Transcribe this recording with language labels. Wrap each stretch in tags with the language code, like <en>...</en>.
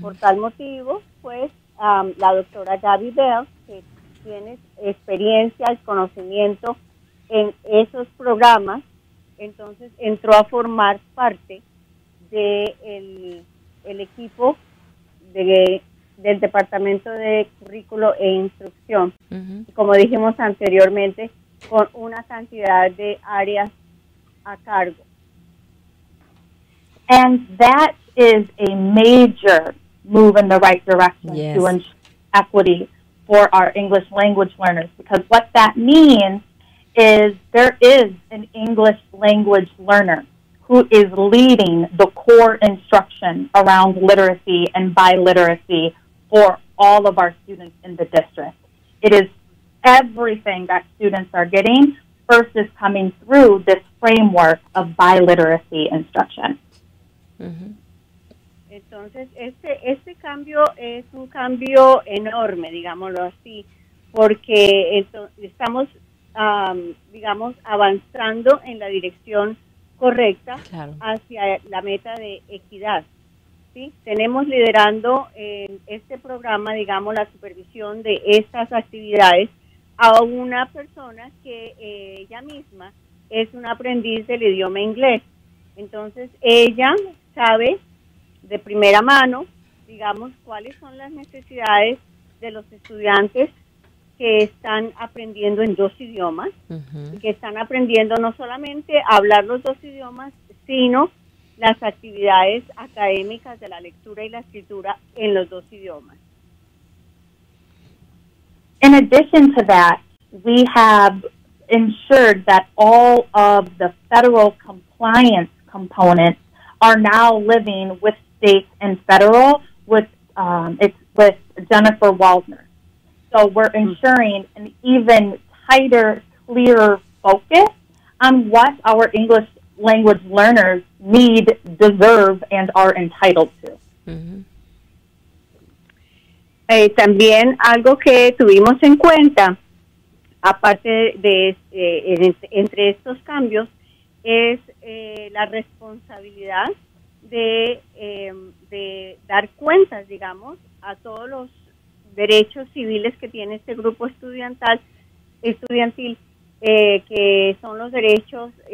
<es>Por tal motivo, pues, la doctora Gaby Bell, que tiene experiencia y conocimiento en esos programas, entonces entró a formar parte de el equipo del Departamento de Currículo e Instrucción, uh-huh. como dijimos anteriormente, con una cantidad de áreas a cargo.</es> <en>And that is a major move in the right direction yes. to ensure equity for our English language learners, because what that means is there is an English language learner who is leading the core instruction around literacy and biliteracy for all of our students in the district. It is everything that students are getting versus coming through this framework of biliteracy instruction. Uh-huh.</en> <es>Entonces, este cambio es un cambio enorme, digámoslo así, porque estamos, digamos, avanzando en la dirección correcta claro. hacia la meta de equidad. ¿Sí? Tenemos liderando este programa, digamos, la supervisión de estas actividades a una persona que ella misma es una aprendiz del idioma inglés. Entonces, ella sabe de primera mano, digamos, cuáles son las necesidades de los estudiantes que están aprendiendo en dos idiomas, uh-huh. que están aprendiendo no solamente a hablar los dos idiomas, sino las actividades académicas de la lectura y la escritura en los dos idiomas.</es> <en>In addition to that, we have ensured that all of the federal compliance components are now living with state and federal with Jennifer Waldner. So we're ensuring an even tighter, clearer focus on what our English language learners need, deserve, and are entitled to. Mm-hmm.</en> <es>También algo que tuvimos en cuenta, aparte de entre estos cambios, es la responsabilidad de dar cuentas, digamos, a todos los derechos civiles que tiene este grupo estudiantil, que son los derechos,</es>